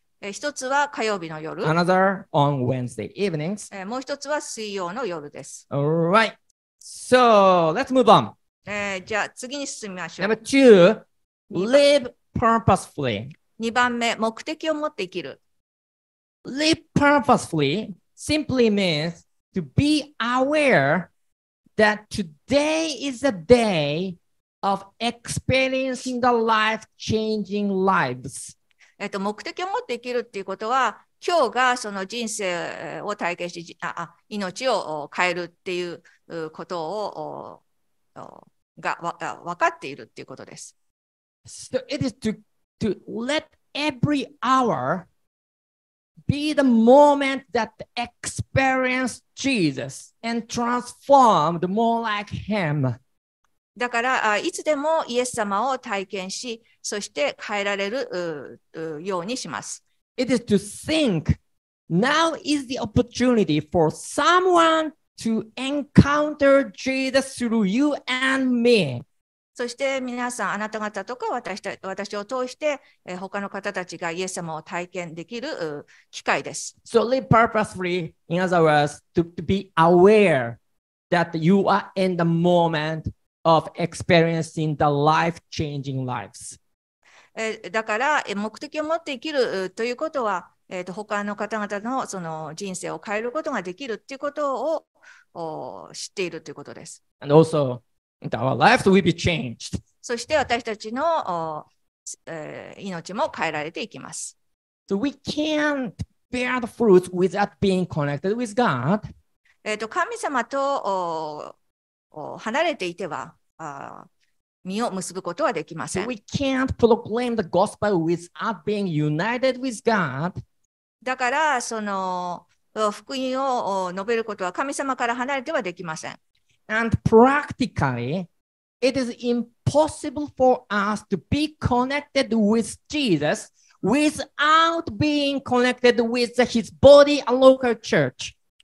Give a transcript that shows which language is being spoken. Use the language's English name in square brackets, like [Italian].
[Japanese] 一つは火曜日の夜。 [English] Another on Wednesday evenings. [Japanese] もう一つは水曜の夜です。 [English] All right. So let's move on. [Japanese] じゃあ次に進みましょう。 [English] Number two, live purposefully. [Japanese] 二番目、目的を持って生きる。 [English] Live purposefully simply means to be aware that today is a day of experiencing the life-changing lives. [Japanese] 目的を持って生きるっていうことは、今日がその人生を体験し、命を変えるっていうことをが分かっているっていうことです。 [English] So it is to let every hour be the moment that experience Jesus and transformed more like Him。 [Japanese] だからいつでもイエス様を体験し、そして変えられるようにします。 [English] It is to think now is the opportunity for someone to encounter Jesus through you and me. [Japanese] そして皆さん、あなた方とか私を通して他の方たちがイエス様を体験できる機会です。 [English] So live purposefully, in other words, to be aware that you are in the moment of experiencing the life-changing lives. [Japanese] だから目的を持って生きるということは、他の方々のその人生を変えることができるということを知っているということです。 [English] And also, our lives will be changed. [Japanese] そして私たちの命も変えられていきます。 [English] So we can't bear the fruits without being connected with God. [Japanese] 神様と離れていては、身を結ぶことはできません。 [English] So、we can't proclaim the gospel without being united with God. [Japanese] だからその福音を述べることは神様から離れてはできません。 [English] And practically, it is impossible for us to be connected with Jesus without being connected with His body, a local church.